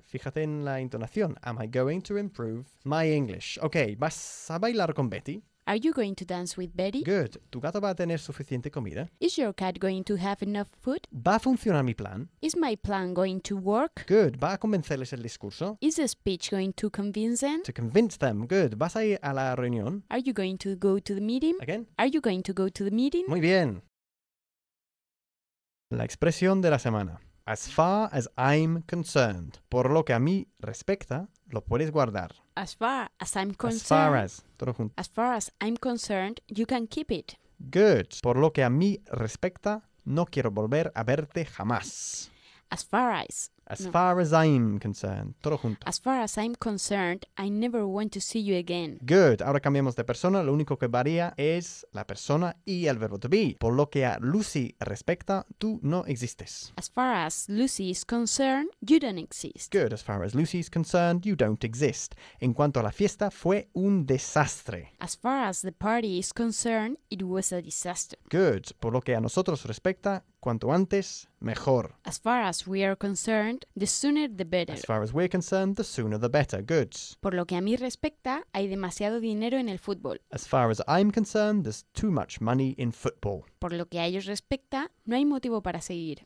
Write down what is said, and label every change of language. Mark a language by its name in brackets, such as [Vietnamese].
[Spanish] Fíjate en la entonación. [English] Am I going to improve my English? Okay. [Spanish] ¿Vas a bailar con Betty? [English] Are you going to dance with Betty? [Spanish] Good. ¿Tu gato va a tener suficiente comida? [English] Is your cat going to have enough food? [Spanish] ¿Va a funcionar mi plan? [English] Is my plan going to work? [Spanish] Good. ¿Va a convencerles el discurso? [English] Is the speech going to convince them? To convince them. Good. [Spanish] ¿Vas a ir a la reunión? [English] Are you going to go to the meeting? Again? Are you going to go to the meeting? [Spanish] Muy bien. La expresión de la semana. [English] As far as I'm concerned. [Spanish] Por lo que a mí respecta, lo puedes guardar. [English] As far as I'm concerned. As far as. [Spanish] Todo junto. [English] As far as I'm concerned, you can keep it. Good. [Spanish] Por lo que a mí respecta, no quiero volver a verte jamás. [English] As far as. As no. far as I'm concerned. [Spanish] Todo junto. [English] As far as I'm concerned, I never want to see you again. [Spanish] Good. Ahora cambiamos de persona. Lo único que varía es la persona y el verbo to be. Por lo que a Lucy respecta, tú no existes. [English] As far as Lucy is concerned, you don't exist. Good. As far as Lucy is concerned, you don't exist. [Spanish] En cuanto a la fiesta, fue un desastre. [English] As far as the party is concerned, it was a disaster. Good. [Spanish] Por lo que a nosotros respecta, cuanto antes, mejor. [English] As far as we are concerned, the sooner the better. As far as we're concerned, the sooner the better. Good. [Spanish] Por lo que a mí respecta, hay demasiado dinero en el fútbol. [English] As far as I'm concerned, there's too much money in football. [Spanish] Por lo que a ellos respecta, no hay motivo para seguir.